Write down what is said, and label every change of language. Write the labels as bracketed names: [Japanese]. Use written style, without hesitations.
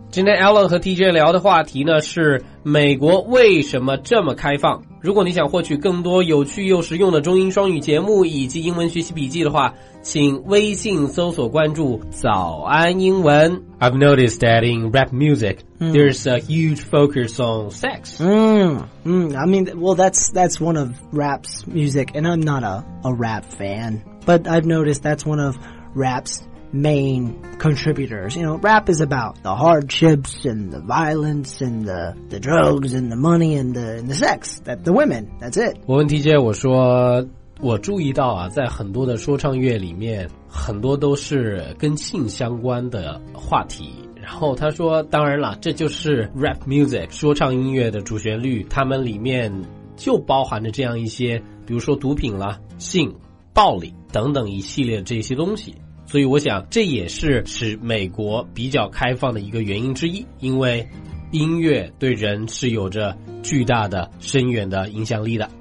[Chinese] 今天 Alan 和 TJ 聊的话题呢是美国为什么这么开放。如果你想获取更多有趣又实用的中英双语节目以及英文学习笔记的话，请微信搜索关注早安英文。 [English] I've noticed that in rap music, there's a huge focus on sex. I mean, well, that's one of rap's music, and I'm not a rap fan, but I've noticed that's one of rap's main contributors. You know, rap is about the hardships and the violence and the drugs and the money and the sex, that the women, that's it. [Chinese] 我问 TJ, 我说我注意到啊，在很多的说唱乐里面很多都是跟性相关的话题，然后他说当然了，这就是 rap music, 说唱音乐的主旋律，他们里面就包含着这样一些，比如说毒品啦、性、暴力等等一系列这些东西，所以我想这也是使美国比较开放的一个原因之一，因为音乐对人是有着巨大的深远的影响力的。